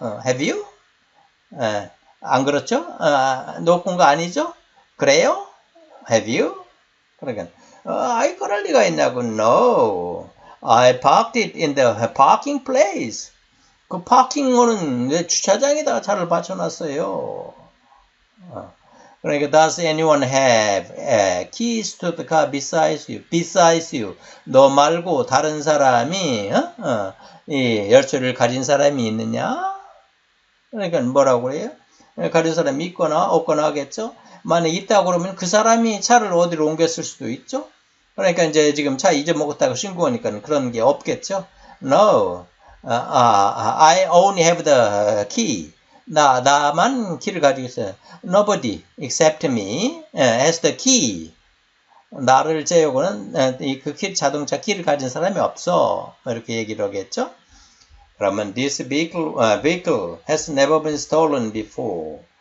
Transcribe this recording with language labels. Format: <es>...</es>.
<en>Have you?</en> <ko>안 그렇죠? 놓고 온거 아니죠? 그래요? Have you? 그러니까 아이 그럴 리가 있냐고.</ko> <en>No. I parked it in the parking place.</en> <ko>그 파킹은 내 주차장에다가 차를 받쳐놨어요. 그러니까</ko> <en>does anyone have keys to the car besides you? Besides you,</en> <ko>너 말고 다른 사람이 이 열쇠를 가진 사람이 있느냐? 그러니까 뭐라고 그래요? 가진 사람이 있거나 없거나 하겠죠. 만약 있다 그러면 그 사람이 차를 어디로 옮겼을 수도 있죠. 그러니까 이제 지금 차 잊어먹었다고 신고하니까 그런 게 없겠죠.</ko> <en>No, I only have the key.</en> <ko>나만 키를 가지고 있어요.</ko> <en>Nobody except me has the key.</en> <ko>나를 제외하고는 그 키, 자동차 키를 가진 사람이 없어. 이렇게 얘기를 하겠죠. 그러면</ko> <en>this vehicle has never been stolen before.</en>